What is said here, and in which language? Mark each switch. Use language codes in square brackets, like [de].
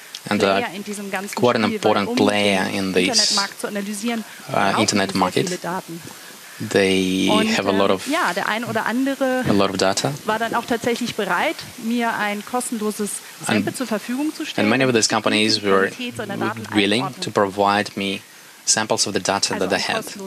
[en] And quite an important player in this internet market. They have a lot of data. [de] War dann auch tatsächlich bereit, mir ein kostenloses Sample zur Verfügung zu stellen. [en] And many of these companies were willing to provide me samples of the data that they had.